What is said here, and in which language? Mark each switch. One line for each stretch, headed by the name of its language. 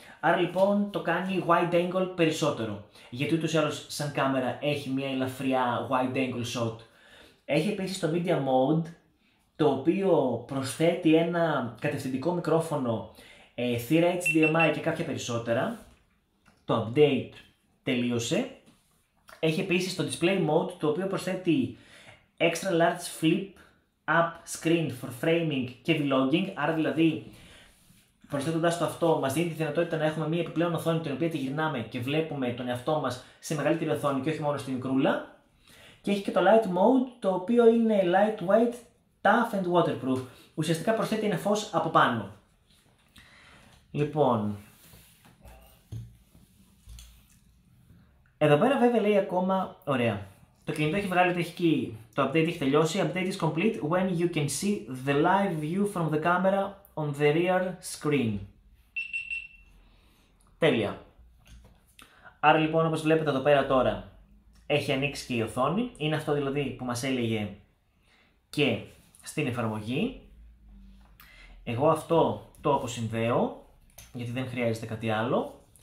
Greek: Άρα λοιπόν το κάνει wide angle περισσότερο. Γιατί ούτως ή άλλως σαν κάμερα έχει μια ελαφριά wide angle shot. Έχει επίσης το media mode, το οποίο προσθέτει ένα κατευθυντικό μικρόφωνο θύρα HDMI και κάποια περισσότερα. Το update τελείωσε. Έχει επίσης το display mode, το οποίο προσθέτει
English: extra large flip up screen for framing
Greek: και vlogging. Άρα δηλαδή, προσθέτοντας το αυτό, μας δίνει τη δυνατότητα να έχουμε μία επιπλέον οθόνη την οποία τη γυρνάμε και βλέπουμε τον εαυτό μας σε μεγαλύτερη οθόνη και όχι μόνο στην μικρούλα. Και έχει και το light mode, το οποίο είναι
English: lightweight, tough and waterproof.
Greek: Ουσιαστικά προσθέτει ένα φως από πάνω. Λοιπόν, εδώ πέρα βέβαια λέει ακόμα, ωραία, το κινητό έχει βγάλει, το update έχει τελειώσει.
English: Update is complete when you can see the live view from the camera on the rear screen.
Greek: Τέλεια. Άρα λοιπόν, όπως βλέπετε εδώ πέρα τώρα, έχει ανοίξει και η οθόνη. Είναι αυτό δηλαδή που μας έλεγε και στην εφαρμογή. Εγώ αυτό το αποσυνδέω, γιατί δεν χρειάζεται κάτι άλλο.